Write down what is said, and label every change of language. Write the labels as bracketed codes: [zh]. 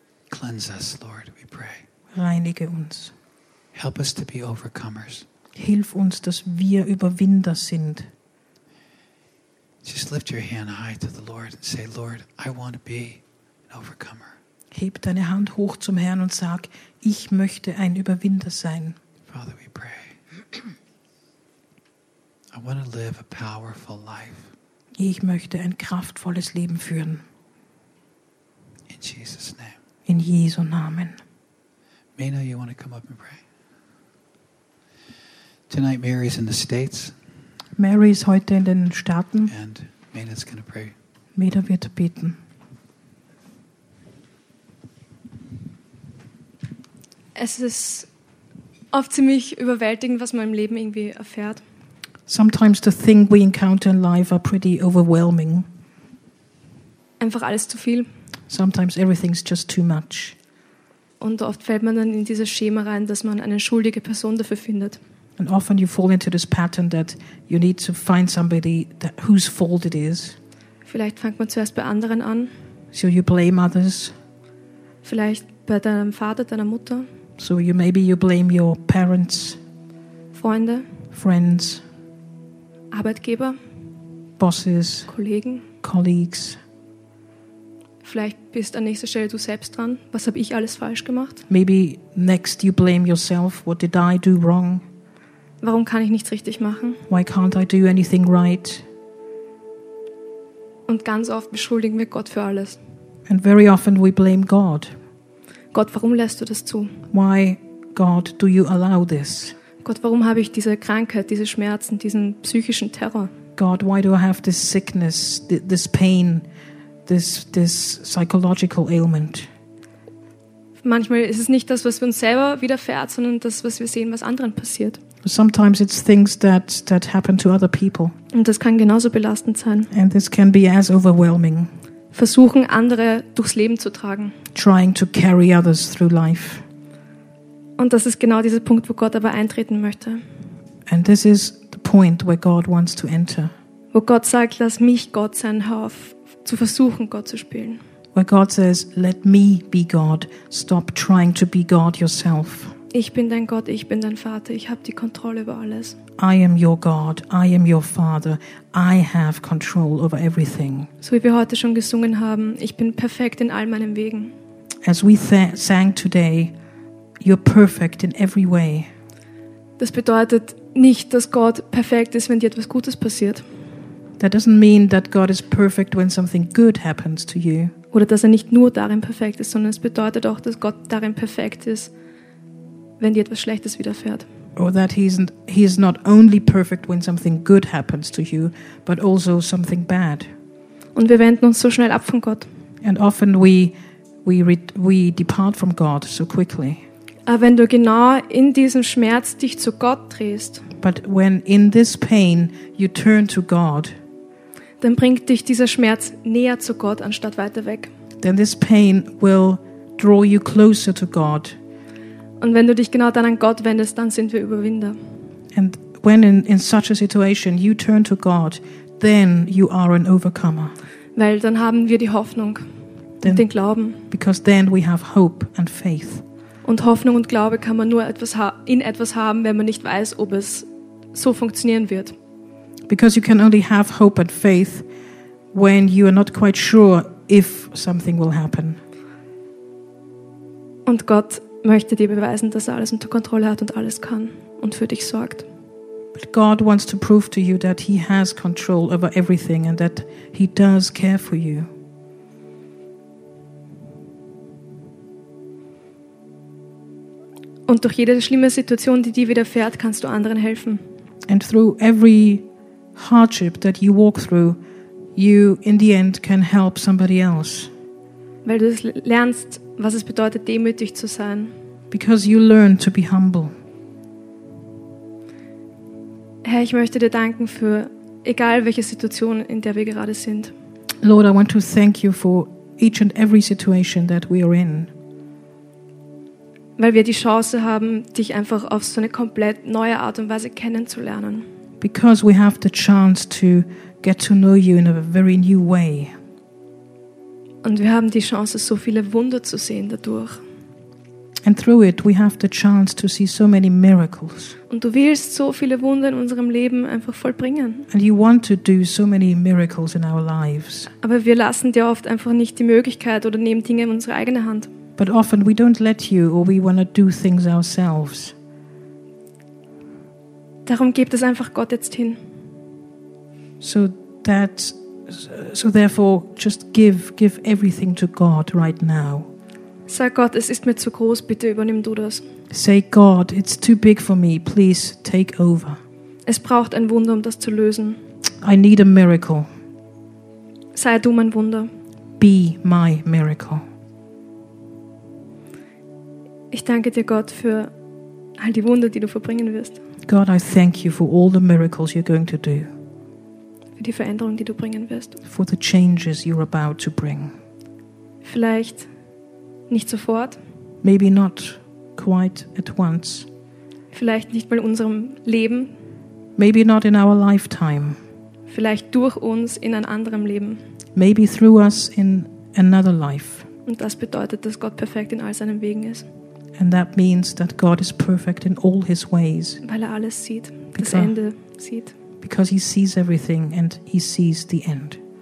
[en] Cleanse us, Lord, we pray. [de] Reinige uns. [en] Help us to be overcomers. [de] Hilf uns, dass wir Überwinder sind. [en] Just lift your hand high to the Lord and say, Lord, I want to be an overcomer. [de] Heb deine Hand hoch zum Herrn und sag, ich möchte ein Überwinder sein. [en] Father, we pray. I want to live a powerful life. [de] Ich möchte ein kraftvolles Leben führen. [en] In Jesus' name. [de] In Jesu Namen. [en] Mina, you want to come up and pray? Tonight, Mary is in the States. [de] Mary ist heute in den Staaten. [en] And Mina is going to pray. [de] Mina wird beten. Es ist oft ziemlich überwältigend, was man im Leben irgendwie erfährt. [en] Sometimes the things we encounter in life are pretty overwhelming. [de] Einfach alles zu viel. [en] Sometimes everything's just too much. [de] Und oft fällt man dann in dieses Schema rein, dass man eine schuldige Person dafür findet. [en] And often you fall into this pattern that you need to find somebody that whose fault it is. [de] Vielleicht fängt man zuerst bei anderen an. [en] So you blame others. [de] Vielleicht bei deinem Vater, deiner Mutter. [en] So you maybe you blame your parents. [de] Freunde. [en] Friends. [de] Arbeitgeber. [en] Bosses. [de] Kollegen. [en] Colleagues. [de] Vielleicht bist an nächster Stelle du selbst dran. Was habe ich alles falsch gemacht? [en] Maybe next you blame yourself. What did I do wrong? [de] Warum kann ich nichts richtig machen? [en] Why can't I do anything right? [de] Und ganz oft beschuldigen wir Gott für alles. [en] And very often we blame God. [de] Gott, warum lässt du das zu? [en] Why, God, do you allow this? [de] Gott, warum habe ich diese Krankheit, diese Schmerzen, diesen psychischen Terror? [en] God, why do I have this sickness, this pain, this psychological ailment? [de] Manchmal ist es nicht das, was wir uns selber widerfährt, sondern das, was wir sehen, was anderen passiert. [en] Sometimes it's things that happen to other people. [de] Und das kann genauso belastend sein. [en] And this can be as overwhelming. [de] Versuchen, andere durchs Leben zu tragen. [en] Trying to carry others through life. [de] Und das ist genau dieser Punkt, wo Gott aber eintreten möchte. [en] And this is the point where God wants to enter. [de] Wo Gott sagt, lass mich Gott sein, hör auf zu versuchen, Gott zu spielen. [en] Where God says, let me be God, stop trying to be God yourself. [de] Ich bin dein Gott, ich bin dein Vater, ich habe die Kontrolle über alles. [en] I am your God, I am your Father, I have control over everything. [de] So wie wir heute schon gesungen haben, ich bin perfekt in all meinen Wegen. [en] As we sang today, you're perfect in every way. [de] Das bedeutet nicht, dass Gott perfekt ist, wenn dir etwas Gutes passiert. [en] That doesn't mean that God is perfect when something good happens to you. [de] Oder dass er nicht nur darin perfekt ist, sondern es bedeutet auch, dass Gott darin perfekt ist, wenn dir etwas Schlechtes widerfährt. [en] Or that he is not only perfect when something good happens to you, but also something bad. [de] Und wir wenden uns so schnell ab von Gott. [en] And often we depart from God so quickly. [de] Aber wenn du genau in diesem Schmerz dich zu Gott drehst, [en] but when in this pain you turn to God, [de] dann bringt dich dieser Schmerz näher zu Gott anstatt weiter weg. [en] Then this pain will draw you closer to God. [de] Und wenn du dich genau dann an Gott wendest, dann sind wir Überwinder. [en] And when in such a situation you turn to God, then you are an overcomer. [de] Weil dann haben wir die Hoffnung und den Glauben. [en] Because then we have hope and faith. [de] Und Hoffnung und Glaube kann man nur in etwas haben, wenn man nicht weiß, ob es so funktionieren wird. [en] Because you can only have hope and faith when you are not quite sure if something will happen. [de] Und Gott möchte dir beweisen, dass er alles unter Kontrolle hat und alles kann und für dich sorgt. [en] But God wants to prove to you that he has control over everything and that he does care for you. [de] Und durch jede schlimme Situation, die dir widerfährt, kannst du anderen helfen. [en] And through every hardship that you walk through, you in the end can help somebody else. [de] Weil du lernst, was es bedeutet, demütig zu sein. [en] Because you learn to be humble. [de] Herr, ich möchte dir danken für egal welche Situation, in der wir gerade sind. [en] Lord, I want to thank you for each and every situation that we are in. [de] Weil wir die Chance haben, dich einfach auf so eine komplett neue Art und Weise kennenzulernen. [en] Because we have the chance to get to know you in a very new way. [de] Und wir haben die Chance, so viele Wunder zu sehen dadurch. [en] And through it we have the chance to see so many miracles. [de] Und du willst so viele Wunder in unserem Leben einfach vollbringen. [en] And you want to do so many miracles in our lives. [de] Aber wir lassen dir oft einfach nicht die Möglichkeit oder nehmen Dinge in unsere eigene Hand. [en] But often we don't let you or we want to do things ourselves. [de] Darum gebt es einfach Gott jetzt hin. [en] So therefore just give everything to God right now. [de] Sag Gott, es ist mir zu groß, bitte übernimm du das. [en] Say God, it's too big for me, please take over. [de] Es braucht ein Wunder, um das zu lösen. [en] I need a miracle. [de] Sei du mein Wunder. [en] Be my miracle. [de] Ich danke dir, Gott, für all die Wunder, die du verbringen wirst. [en] God, I thank you for all the miracles you're going to do. [de] Für die Veränderung, die du bringen wirst. [en] For the changes you're about to bring. [de] Vielleicht nicht sofort. [en] Maybe not quite at once. [de] Vielleicht nicht mal in unserem Leben. [en] Maybe not in our lifetime. [de] Vielleicht durch uns in ein anderem Leben. [en] Maybe through us in another life. [de] Und das bedeutet, dass Gott perfekt in all seinen Wegen ist. [en] And that means that God is perfect in all his ways. [de] Weil er alles sieht, das Ende sieht. [en] Because he sees everything and he sees the end.